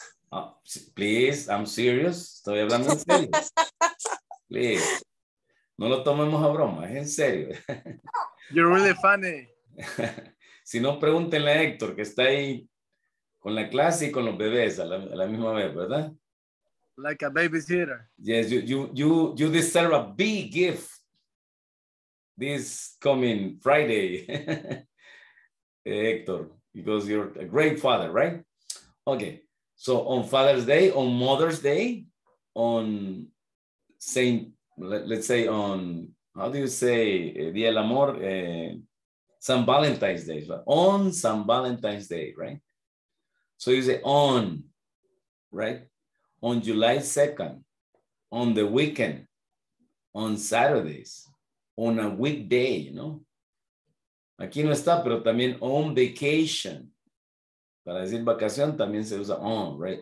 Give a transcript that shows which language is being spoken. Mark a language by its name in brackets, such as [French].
[English] Oh, please, I'm serious. [Spanish] Estoy hablando en serio. [English] Please. [Spanish] No lo tomemos a broma, es en serio. [English] You're really funny. [Spanish] Si no, pregúntenle a Héctor, que está ahí con la clase y con los bebés a la misma vez, ¿verdad? [English] Like a babysitter. Yes, you deserve a big gift this coming Friday, Hector, because you're a great father, right? Okay, so on Father's Day, on Mother's Day, on Saint, let's say on, how do you say, Día del Amor, San Valentine's Day, on San Valentine's Day, right? So you say on, right? On July 2nd, on the weekend, on Saturdays, on a weekday, you know? [Spanish] Aquí no está, pero también [English] on vacation. [Spanish] Para decir vacación también se usa on, right?